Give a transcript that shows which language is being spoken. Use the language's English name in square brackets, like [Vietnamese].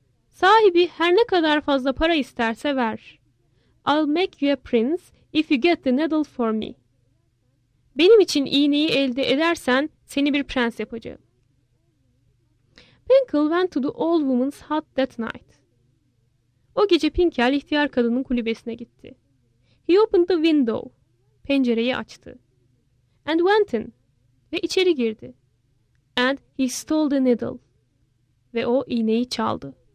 [Turkish] Sahibi her ne kadar fazla para isterse ver. [English] I'll make you a prince if you get the needle for me. [Turkish] Benim için iğneyi elde edersen seni bir prens yapacağım. [English] Pinkle went to the old woman's hut that night. [Turkish] O gece Pinkel ihtiyar kadının kulübesine gitti. [English] He opened the window. [Turkish] Pencereyi açtı. [English] And went in. [Turkish] Ve içeri girdi. [English] And he stole the needle. [Turkish] Ve o iğneyi çaldı.